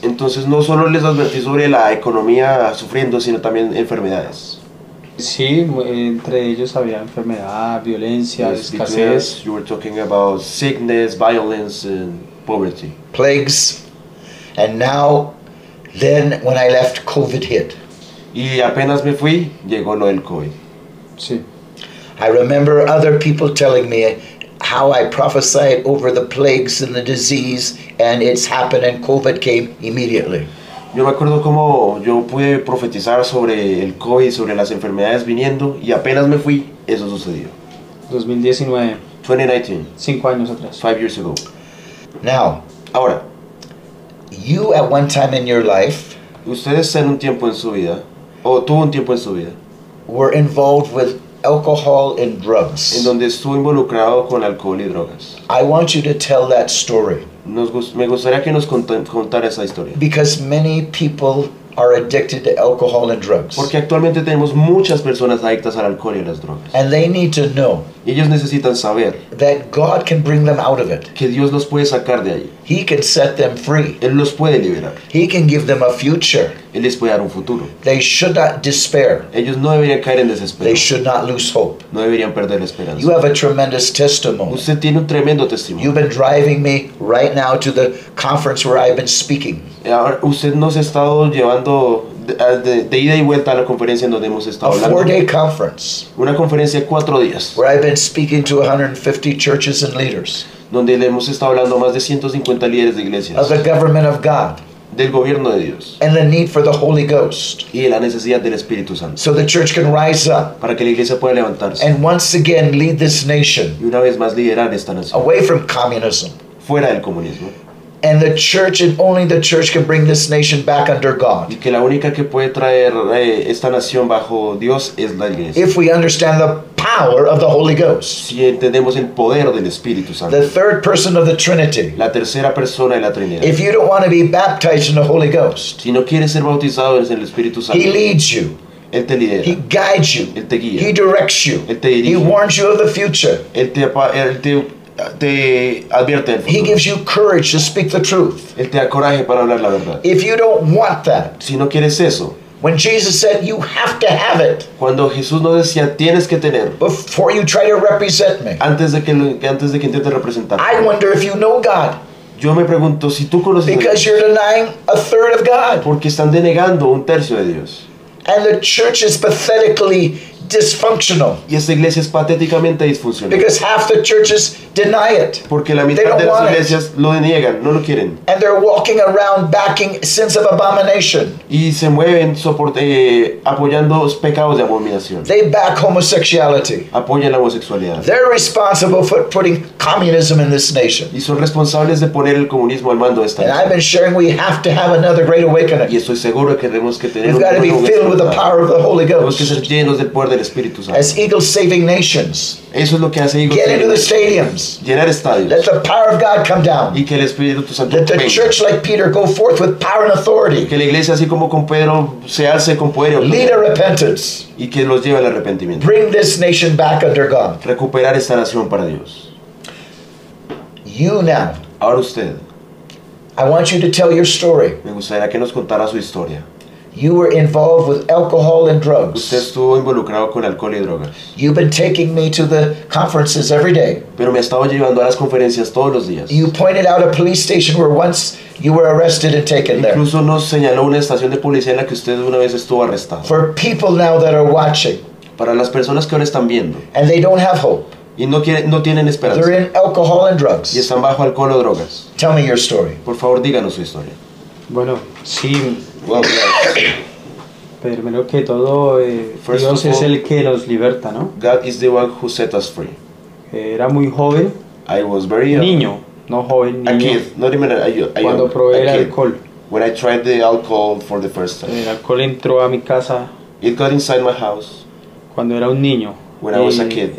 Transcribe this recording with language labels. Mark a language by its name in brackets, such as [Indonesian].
[Spanish] Entonces no solo les advertí sobre la economía sufriendo, sino también enfermedades. Sí, entre ellos había enfermedad, violencia, [English] yes, [Spanish] escasez. [English] You were talking about sickness, violence, and poverty. Plagues. And now, then when I left, COVID hit. [Spanish] Y apenas me fui, llegó lo del COVID. Sí. [English] I remember other people telling me how I prophesied over the plagues and the disease, and it's happened, and COVID came immediately. [Spanish] Yo me acuerdo cómo yo pude profetizar sobre el COVID, sobre las enfermedades viniendo, y apenas me fui, eso sucedió. [English] 2019. [Spanish] 2019. 5 años atrás. [English] 5 years ago. Now. [Spanish] Ahora. [English] You at one time in your life. [Spanish] Ustedes en un tiempo en su vida, o tuvo un tiempo en su vida. [English] Were involved with alcohol and drugs. [Spanish] En donde estuvo involucrado con alcohol y drogas. [English] I want you to tell that story. [Spanish] Me gustaría que nos contara esa historia. [English] Because many people are addicted to alcohol and drugs. [Spanish] Porque actualmente tenemos muchas personas adictas al alcohol y a las drogas. [English] And they need to know. [Spanish] Ellos necesitan saber. [English] That God can bring them out of it. [Spanish] Que Dios los puede sacar de ahí. [English] He can set them free. [Spanish] Él los puede liberar. [English] He can give them a future. [Spanish] Él les puede dar un futuro. [English] They should not despair. [Spanish] Ellos no deberían caer en desespero. [English] They should not lose hope. [Spanish] No deberían perder la esperanza. [English] You have a tremendous testimony. [Spanish] Usted tiene un tremendo testimonio. [English] You've been driving me right now to the conference where I've been speaking. [Spanish] Usted nos ha estado llevando de ida y vuelta a la conferencia en donde hemos estado hablando. [English] A 4-day conference. [Spanish] Una conferencia de 4 días. [English] Where I've been speaking to 150 churches and leaders. [Spanish] Donde le hemos estado hablando a más de 150 líderes de iglesias. [English] Of the government of God. [Spanish] Del gobierno de Dios. [English] And the need for the Holy Ghost. [Spanish] Y la necesidad del Espíritu Santo. [English] So the church can rise up. [Spanish] Para que la iglesia pueda levantarse. [English] And once again lead this nation. [Spanish] Y una vez más liderar esta nación. [English] Away from communism. [Spanish] Fuera del comunismo. [English] And the church, and only the church, can bring this nation back under God. [Spanish] Y que la única que puede traer esta nación bajo Dios es la iglesia. [English] If we understand the power of the Holy Ghost. [Spanish] Si entendemos el poder del Espíritu Santo. [English] The third person of the Trinity. [Spanish] La tercera persona de la Trinidad. [English] If you don't want to be baptized in the Holy Ghost. [Spanish] Si no quieres ser bautizado en el Espíritu Santo. [English] He leads you. [Spanish] Él te lidera. [English] He guides you. [Spanish] Él te guía. [English] He directs you. [Spanish] Él te dirige. [English] He warns you of the future. [Spanish] Él te advierte el futuro. [English] He gives you courage to speak the truth. [Spanish] Él te da coraje para hablar la verdad. [English] If you don't want that. [Spanish] Si no quieres eso. [English] When Jesus said you have to have it. [Spanish] Cuando Jesús nos decía tienes que tener. [English] Before you try to represent me. [Spanish] Antes de que intentes representarme. [English] I wonder if you know God. [Spanish] Yo me pregunto si tú conoces because a Dios. [English] You're denying a third of God. [Spanish] Porque están denegando un tercio de Dios. [English] And the church is pathetically dysfunctional. [Spanish] Y esta iglesia es patéticamente disfuncional. [English] Because half the churches deny it. [Spanish] Porque la mitad de las iglesias lo deniegan, no lo quieren. [English] And they're walking around backing sins of abomination. [Spanish] Y se mueven apoyando pecados de abominación. [English] They back homosexuality. [Spanish] Apoyan la homosexualidad. [English] They're responsible for putting communism in this nation. [Spanish] Y son responsables de poner el comunismo al mando de esta nación. [English] And I've been sharing we have to have another great awakening. [Spanish] Y estoy seguro que tenemos que tener [English] We've got to be filled with the power of the Holy Ghost. [Spanish] Tenemos que ser llenos del poder del Espíritu Santo. [English] As eagles saving nations. [Spanish] Eso es lo que hace [English] Get into the stadiums. [Spanish] Llenar estadios. [English] Let the power of God come down. [Spanish] Y que el Espíritu Santo [English] Let the [Spanish] venga. [English] Church like Peter go forth with power and authority. [Spanish] Que la iglesia así como con Pedro se alce con poder. [English] Lead a repentance. [Spanish] Y que los lleve al arrepentimiento. [English] Bring this nation back under God. [Spanish] Recuperar esta nación para Dios. [English] You now. [Spanish] Ahora usted. [English] I want you to tell your story. [Spanish] Me gustaría que nos contara su historia. [English] You were involved with alcohol and drugs. [Spanish] Usted estuvo involucrado con alcohol y drogas. [English] You've been taking me to the conferences every day. [Spanish] Pero me estaba llevando a las conferencias todos los días. [English] You pointed out a police station where once you were arrested and taken [Spanish] Incluso [English] there. [Spanish] Incluso nos señaló una estación de policía en la que usted una vez estuvo arrestado. [English] For people now that are watching. [Spanish] Para las personas que ahora están viendo. [English] And they don't have hope. [Spanish] Y no tienen esperanza. [English] They're in alcohol and drugs. [Spanish] Y están bajo alcohol o drogas. [English] Tell me your story. [Spanish] Por favor, díganos su historia. Bueno, sí. Primero que todo, Dios es el que nos liberta, ¿no? [English] God is the one who set us free. [Spanish] Era muy joven. [English] I was very young. [Spanish] Niño, no joven, niño. [English] A kid, not even a [Spanish] Cuando probé el alcohol. [English] When I tried the alcohol for the first time. [Spanish] El alcohol entró a mi casa. [English] It got inside my house. [Spanish] Cuando era un niño. [English] When I was a kid.